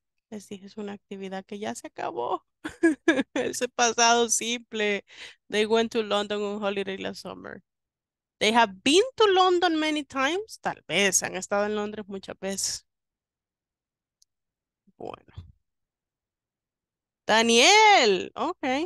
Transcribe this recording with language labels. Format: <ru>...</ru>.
<es>Les dije, es una actividad que ya se acabó. Ese pasado simple.</es> <en>They went to London on holiday last summer. They have been to London many times.</en> <es>Tal vez han estado en Londres muchas veces. Bueno. Daniel. Ok.</es>